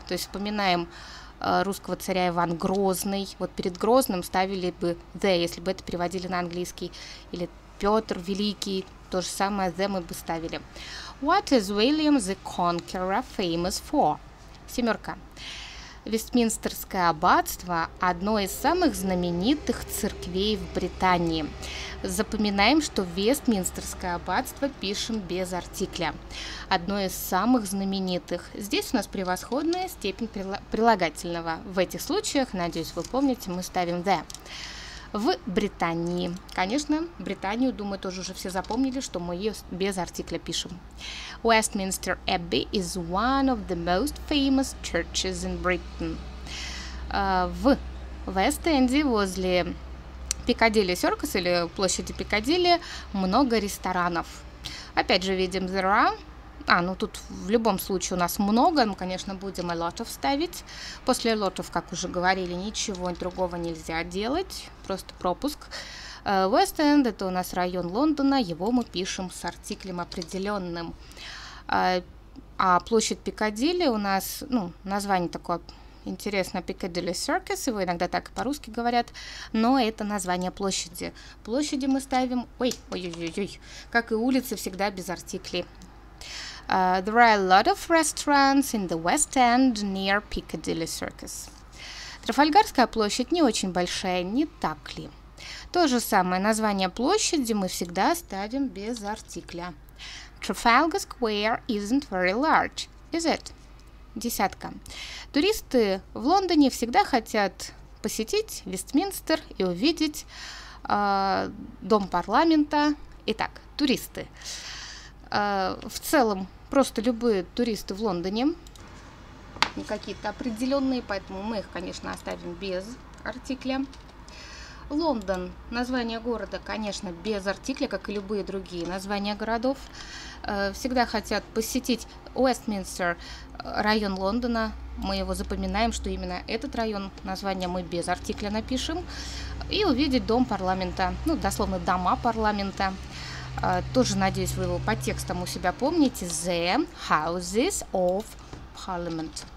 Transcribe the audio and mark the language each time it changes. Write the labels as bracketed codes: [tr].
[ru] То есть вспоминаем русского царя Иван Грозный. Вот перед Грозным ставили бы the, если бы это переводили на английский. Или Петр Великий, то же самое the мы бы ставили. [en] What is William the Conqueror famous for? [ru] Семерка. Вестминстерское аббатство – одно из самых знаменитых церквей в Британии. Запоминаем, что Вестминстерское аббатство пишем без артикля. Одно из самых знаменитых. Здесь у нас превосходная степень прилагательного. В этих случаях, надеюсь, вы помните, мы ставим «the». В Британии. Конечно, Британию, думаю, тоже уже все запомнили, что мы ее без артикля пишем. [en] Westminster Abbey is one of the most famous churches in Britain. [ru] В Вест-Энде, возле Пикадилли Серкас или площади Пикадилли, много ресторанов. Опять же, видим there are. Ну тут в любом случае у нас много, мы, конечно, будем a lot of ставить. После a lot of, как уже говорили, ничего другого нельзя делать, просто пропуск. West End – это у нас район Лондона, его мы пишем с артиклем определенным. А площадь Пикадилли у нас, название такое интересное, Piccadilly Circus, его иногда так и по-русски говорят, но это название площади. Площади мы ставим, как и улицы, всегда без артиклей. [en] There are a lot of restaurants in the West End near Piccadilly Circus. [ru] Трафальгарская площадь не очень большая, не так ли? То же самое, название площади мы всегда ставим без артикля. [en] Trafalgar Square isn't very large, is it? [ru] Десятка. Туристы в Лондоне всегда хотят посетить Вестминстер и увидеть дом парламента. Итак, туристы. В целом, просто любые туристы в Лондоне, не какие-то определенные, поэтому мы их, конечно, оставим без артикля. Лондон, название города, конечно, без артикля, как и любые другие названия городов. Всегда хотят посетить Уэстминстер, район Лондона. Мы его запоминаем, что именно этот район, название мы без артикля напишем. И увидеть дом парламента, дословно дома парламента. Тоже, надеюсь, вы его по текстам у себя помните. [en] The Houses of Parliament.